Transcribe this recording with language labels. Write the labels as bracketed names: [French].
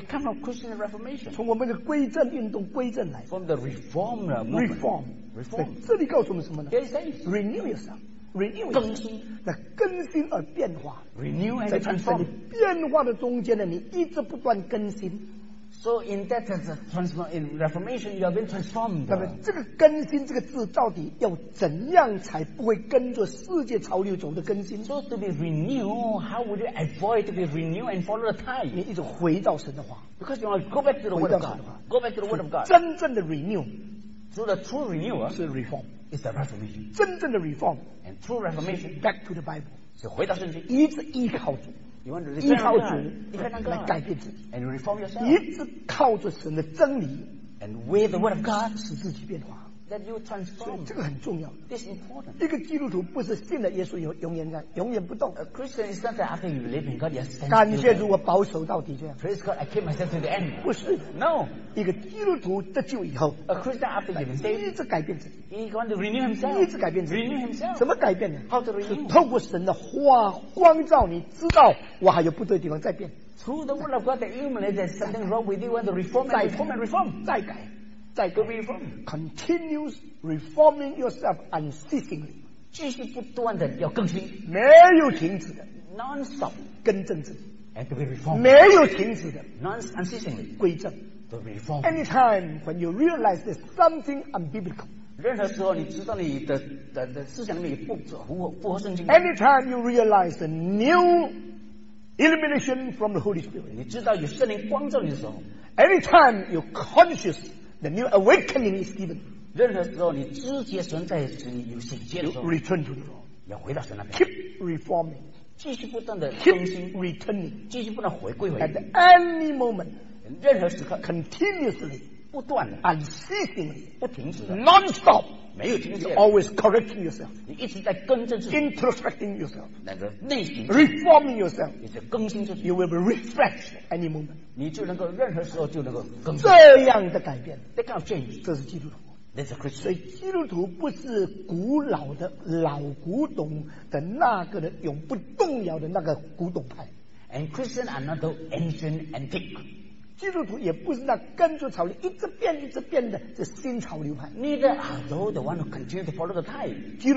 [English] It comes from Christian Reformation。 [Chinese] 从我们的归正运动归正来的。 [English] From the reform movement。 [Chinese] Reform。 这里告诉我们什么呢 [English] ？Yes, yes. Renew yourself。 Renew [Chinese] 更新，那更新而变化。 [English] Renew and transform。 [Chinese] 在你变化的中间呢，你一直不断更新。 [English] So in that sense, in Reformation, you have been transformed. [Chinese] 那么这个更新这个字到底要怎样才不会跟着世界潮流走的更新 [English] ？So to be renewed, how would you avoid to be renewed and follow the tide? [Chinese] 你一直回到神的话。 [English] Because you want to go back to the word of God. Go back to the word of God. [Chinese] 真正的 renew, [English] so the true renewal [Chinese] 是 reform, [English] is the Reformation. [Chinese] 真正的 reform [English] and true Reformation back to the Bible. [Chinese] 是回到圣经，一直依靠主。 [English] You want to [Chinese] 依靠主，你看那个来改变自己 [English] ，and reform yourself， [Chinese] 一直靠着神的真理 [English] ，and with the word of God， [Chinese] 使自己变化 [English] ，that you transform， [Chinese] 这个很重要 [English] ，this important。 [Chinese] 一个基督徒不是信了耶稣有永远不动 [English] ，a Christian is not that after you believe in God you stand。 [Chinese] 感谢主，我保守到底这样 [English] ，praise God I keep myself to the end。 [Chinese] 不是 [English] ，no， [Chinese] 一个基督徒得救以后 [English] ，a Christian after you believe， [Chinese] 一直改变自己 [English] ，he want to renew himself， [Chinese] 一直改变自己 [English] ，renew himself， [Chinese] 怎么改变呢 [English] ？how to renew？ [Chinese] 是透过神的话光照，你知道。我还有不对的地方，再变。 [English] through the word of God, that you realize there's something wrong with you, you want to reform and reform and reform. [Chinese] 再改, [English] reform. Continues reforming yourself unceasingly. [Chinese] 继续不断的要更新, 没有停止的, [English] non-stop. [Chinese] 更正直, [English] and to be reformed. [Chinese] 没有停止的, [English] non-unceasingly. [Chinese] 归正, [English] to be reformed. Anytime when you realize there's something unbiblical. [Chinese] 任何时候你知道你的思想里面也不合圣经。 [English] Anytime you realize the new illumination from the Holy Spirit. [Chinese] 你知道有圣灵光照你的时候, [English] anytime you conscious the new awakening is given. [Chinese] 任何时候你知觉神在你有醒觉的时候, [English] you return to the Lord. [Chinese] 要回到神那边, [English] keep reforming. [Chinese] 继续不断的更新, [English] keep returning. [Chinese] 继续不断回归回, [English] at any moment. [Chinese] 任何时刻, [English] continuously. [Chinese] 不断的, [English] unceasingly. [Chinese] 不停止的, [English] non-stop. [Chinese] 没有停止的, [English] you're always correcting yourself. [Chinese] 你一直在更正自己, [English] introspecting yourself. [Chinese] 乃至内省, [English] reforming yourself. [Chinese] 你在更新自己, [English] you will be refreshed at any moment. [Chinese] 你就能够任何时候就能够更新, 这样的改变, [English] that kind of change. [Chinese] 这是基督徒, [English] that's a Christian. [Chinese] 所以基督徒不是古老的老古董的那个永不动摇的那个古董派, [English] and Christians are not the ancient antique. [Chinese] 基督徒也不是那跟着潮流一直变一直变的这新潮流派, [English] neither are those the one who continue to follow the time.